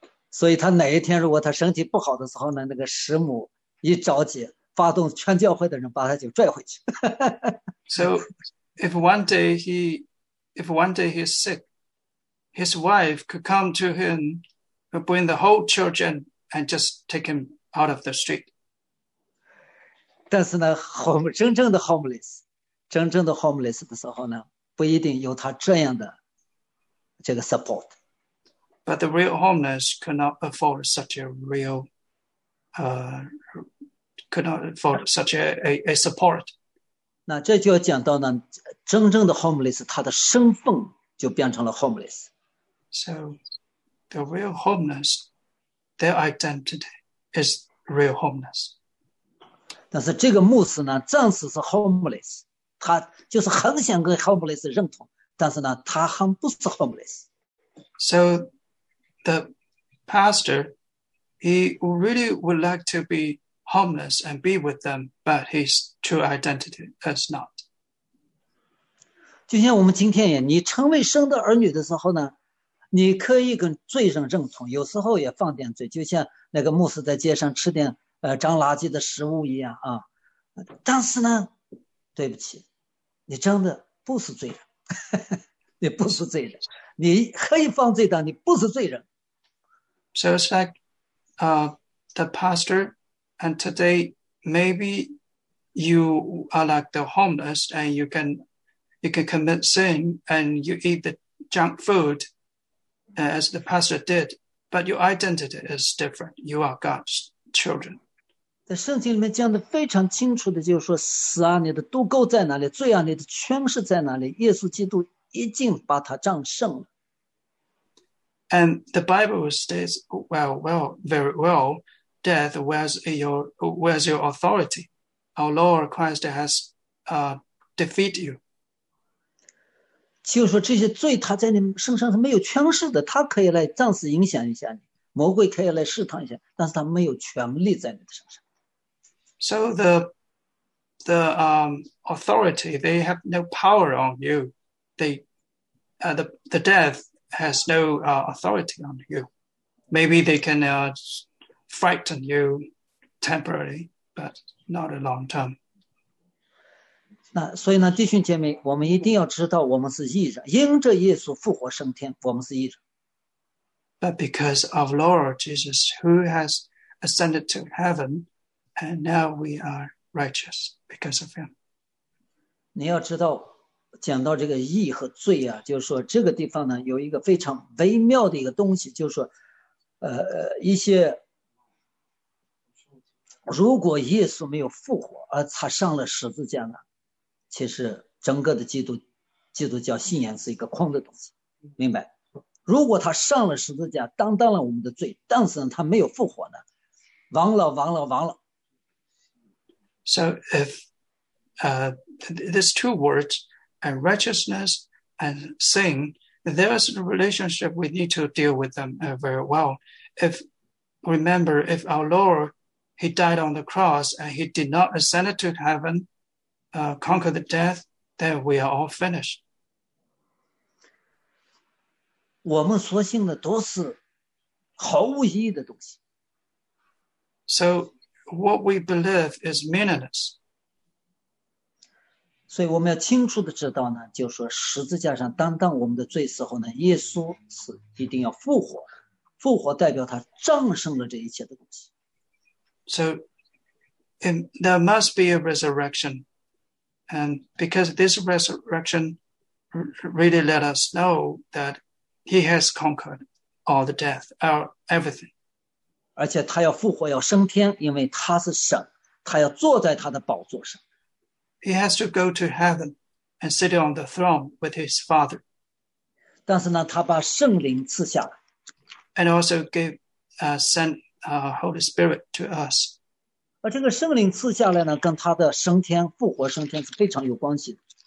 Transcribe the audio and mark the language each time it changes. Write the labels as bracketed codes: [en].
[zh] 所以他哪一天如果他身体不好的时候呢，那个师母一着急。发动全教会的人把他就拽回去。 [en] So, if one day he's sick, his wife could come to him, bring the whole church in, and just take him out of the street. [zh] 但是呢，真正的 homeless, 真正的 homeless 的时候呢，不一定有他这样的这个 support. [en] But the real homeless could not afford such a real, could not afford such a support. [zh] 那这就要讲到呢，真正的 homeless， 他的身份就变成了 homeless. [en] So the real homeless, their identity is real homeless. [zh] 但是这个牧师呢，暂时是 homeless， 他就是很想跟 homeless 认同，但是呢，他还不是 homeless. [en] So the pastor, he really would like to be. Homeless and be with them, but his true identity is not. [zh] 就像我们今天也，你成为神的儿女的时候呢，你可以跟罪人认同，有时候也放点罪，就像那个牧师在街上吃点脏垃圾的食物一样啊。但是呢，对不起，你真的不是罪人，你不是罪人，你可以放罪，但你不是罪人。 [en] So it's like, the pastor. And today, maybe you are like the homeless, and you can commit sin, and you eat the junk food, as the pastor did. But your identity is different. You are God's children. [zh] 在圣经里面讲的非常清楚的，就是说死啊，你的毒钩在哪里？罪啊，你的权势在哪里？耶稣基督已经把他战胜了。 [en] And the Bible states well, very well. Death, where's your authority? Our Lord Christ has defeated you. [zh] 就说这些罪，他在你身上是没有权势的。他可以来暂时影响一下你，魔鬼可以来试探一下，但是他没有权力在你的身上。 [en] So the authority, they have no power on you. The death has no authority on you. Maybe they can. Frighten you temporarily, but not a long term. [zh] 那所以呢，弟兄姐妹，我们一定要知道，我们是义人，因着耶稣复活升天，我们是义人。 [en] But because of Lord Jesus, who has ascended to heaven, and now we are righteous because of him. [zh] 你要知道，讲到这个义和罪啊，就是说这个地方呢有一个非常微妙的一个东西，就是说一些如果耶稣没有复活而他上了十字架呢，其实整个的基督教信仰是一个空的东西，明白？如果他上了十字架担当了我们的罪，但是呢他没有复活呢，完了。 [en] So if there's two words, and righteousness and sin, there's a relationship we need to deal with them very well. If our Lord, he died on the cross and he did not ascend to heaven, conquer the death, then we are all finished. [zh] 我们所信的都是毫无意义的东西。 [en] So what we believe is meaningless. [zh] 所以我们要清楚的知道呢，就是说十字架上担当我们的罪时候呢，耶稣是一定要复活，复活代表他战胜了这一切的东西。 [en] So there must be a resurrection. And because this resurrection really let us know that he has conquered all the death, everything. [zh] 而且他要复活，要升天，因为他是神，他要坐在他的宝座上。 [en] He has to go to heaven and sit on the throne with his father. [zh] 但是呢，他把圣灵赐下来。 [en] And also gave, sent Holy Spirit to us. [zh] 而这个圣灵赐下来呢，跟他的升天、复活、升天是非常有关系的。